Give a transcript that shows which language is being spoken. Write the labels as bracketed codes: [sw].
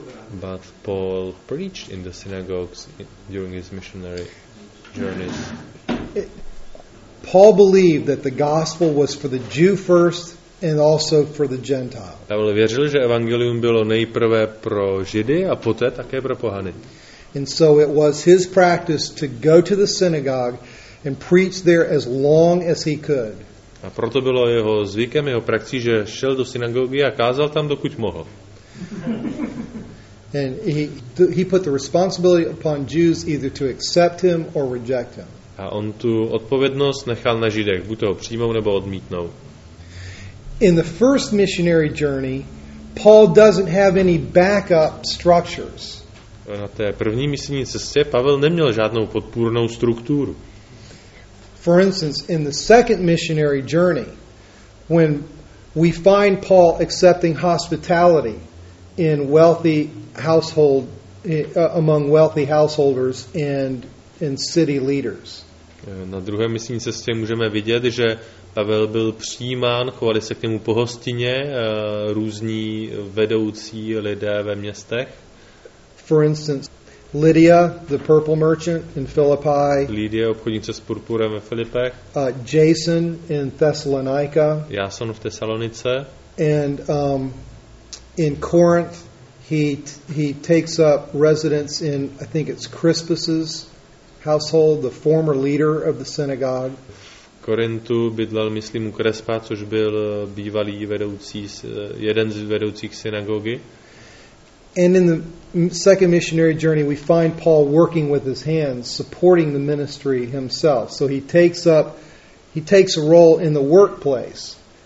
[en] But Paul preached in the synagogues during his missionary journeys. Paul believed that the gospel was for the Jew first and also for the Gentile. [cs] Pavel věřil, že evangelium bylo nejprve pro Židy a poté také pro pohany. [en] And so it was his practice to go to the synagogue and preach there as long as he could. [cs] A proto bylo jeho zvykem, jeho praxí, že šel do synagogy a kázal tam, dokud mohl. [en] And he put the responsibility upon Jews either to accept him or reject him. [cs] A on tu odpovědnost nechal na Židech, buď toho přijmou nebo odmítnou. [en] In the first missionary journey, Paul doesn't have any backup structures. [cs] Na té první misijní cestě Pavel neměl žádnou podpůrnou strukturu. [en] For instance, in the second missionary journey, when we find Paul accepting hospitality in wealthy household among wealthy householders and city leaders. [cs] Na druhé misijní cestě můžeme vidět, že Pavel byl přijímán, chovali se k němu pohostině různí vedoucí lidé ve městech. [en] For instance, Lydia, the purple merchant in Philippi. [cs] Lydia, obchodnice s purpurem ve Filipech. [en] Jason in Thessalonica. [cs] Jason v Tesalonice. [en] And in Corinth, he takes up residence in, I think it's Crispus's household, the former leader of the synagogue. [cs] V Korintu bydlel, myslím, u Crespa, což byl bývalý vedoucí, jeden z vedoucích synagogy. [en] And in the second missionary journey, we find Paul working with his hands, supporting the ministry himself. So he takes a role in the workplace.